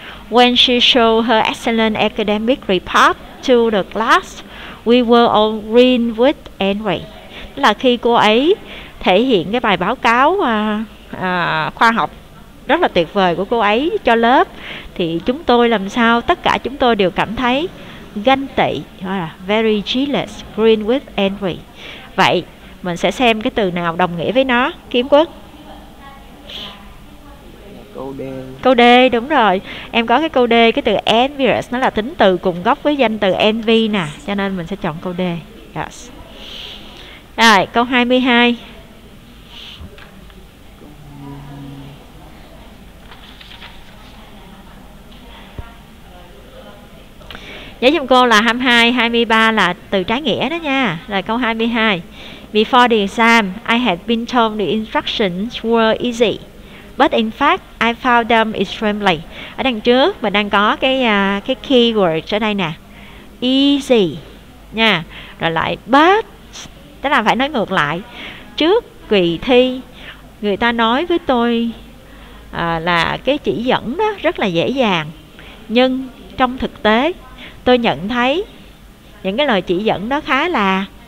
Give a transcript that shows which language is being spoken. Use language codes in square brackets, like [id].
[en] When she showed her excellent academic report to the class, we were all green with envy. [vi] Là khi cô ấy thể hiện cái bài báo cáo khoa học rất là tuyệt vời của cô ấy cho lớp thì chúng tôi làm sao, tất cả chúng tôi đều cảm thấy ganh tị, gọi là [en] very jealous, green with envy. [vi] Vậy mình sẽ xem cái từ nào đồng nghĩa với nó. Kiếm Quốc, câu D. Câu D đúng rồi, em có cái câu D, cái từ envious nó là tính từ cùng gốc với danh từ envy nè, cho nên mình sẽ chọn câu D. Yes. Rồi câu 22. Nhớ giùm cô là 22, 23 là từ trái nghĩa đó nha. Rồi câu 22. [en] Before the exam, I had been told the instructions were easy. But in fact, I found them extremely. [vi] Ở đằng trước, mình đang có cái keyword ở đây nè. Easy. Nha. Rồi lại but. Tức là phải nói ngược lại. Trước kỳ thi, người ta nói với tôi là cái chỉ dẫn đó rất là dễ dàng. Nhưng trong thực tế tôi nhận thấy những cái lời chỉ dẫn đó khá là...